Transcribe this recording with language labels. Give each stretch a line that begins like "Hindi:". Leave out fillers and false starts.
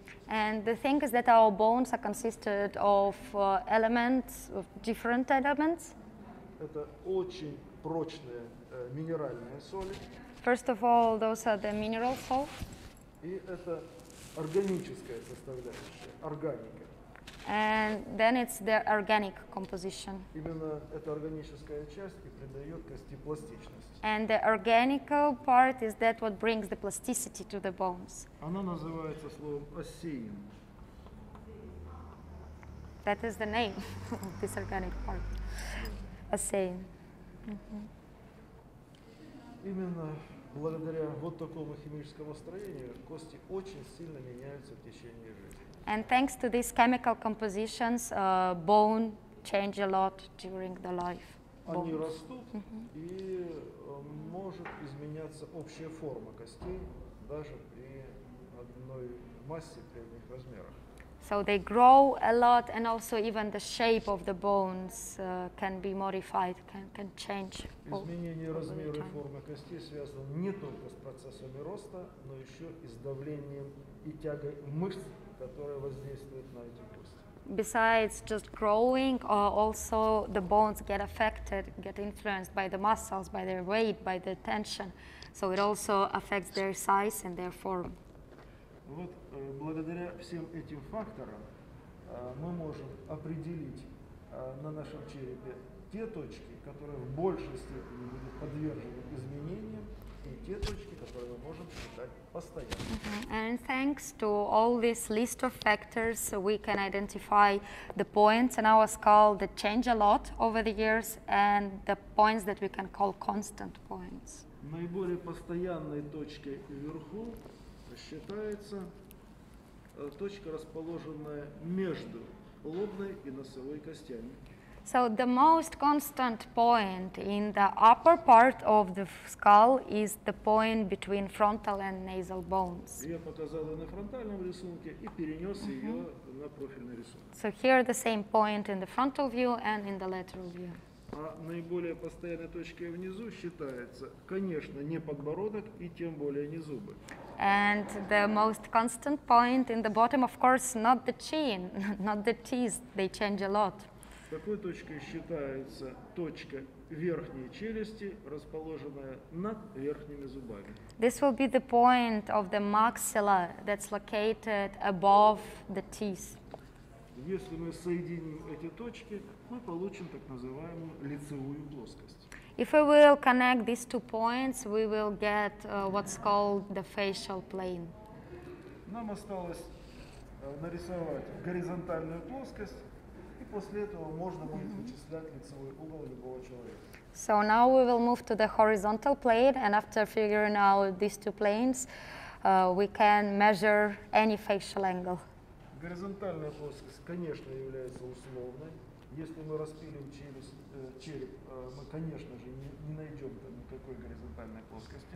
English: And the thing is that our bones are consisted of elements, of different elements.
Russian: Это очень прочные минеральные соли.
English: First of all, those are the mineral salts.
Russian: И это органическая составляющая, органика.
English: And then it's the organic composition.
Russian: Именно эта органическая часть и придает кости пластичность.
English: And the organic part is that what brings the plasticity to the bones.
Russian: Она называется словом осеин.
English: That is the name of this organic part.
Russian: Осеин. Именно благодаря вот такому химическому строению кости очень сильно меняются в течение жизни.
English: And thanks to these chemical compositions, bone change a lot during the life.
Russian: Они растут, и может изменяться общая форма костей даже при одной массе, при одних размерах.
English: So they grow a lot, and also even the shape of the bones can be modified, can change.
Russian: Изменение размера и формы костей связано не только с процессами роста, но еще и с давлением и тягой мышц, которая воздействует на эти кости.
English: Besides just growing, also the bones get affected, get influenced by the muscles, by their weight, by the tension. So it also affects their size and their form.
Russian: Вот благодаря всем этим факторам мы можем определить на нашем черепе те точки, которые в большей степени будут подвержены изменениям, и те точки, которые мы можем считать.
English: And thanks to all this list of factors, we can identify the points in our skull that change a lot over the years and the points that we can call constant points.
Russian: Наиболее постоянной точкой вверху считается точка, расположенная между лобной и носовой костями.
English: So the most constant point in the upper part of the skull is the point between frontal and nasal bones.
Russian: Я показал на фронтальном рисунке и перенес ее на профильный рисунок.
English: So here the same point in the frontal view and in the lateral view.
Russian: А наиболее постоянной точкой внизу считается, конечно, не подбородок и тем более не зубы.
English: And the most constant point in the bottom, of course, not the chin, not the teeth, they change a lot.
Russian: Такой точкой считается точка верхней челюсти, расположенная над верхними зубами.
English: This will be the point of the maxilla that's located above the teeth.
Russian: Если мы соединим эти точки, мы получим так называемую лицевую плоскость.
English: If we will connect these two points, we will get what's called the facial plane.
Russian: Нам осталось нарисовать горизонтальную плоскость, и после этого можно будет вычислять лицевой угол любого человека.
English: So now we will move to the horizontal plane, and after figuring out these two planes, we can measure any facial angle.
Russian: Горизонтальная плоскость, конечно, является условной. Если мы распилим череп, мы, конечно же, не найдем там никакой горизонтальной плоскости.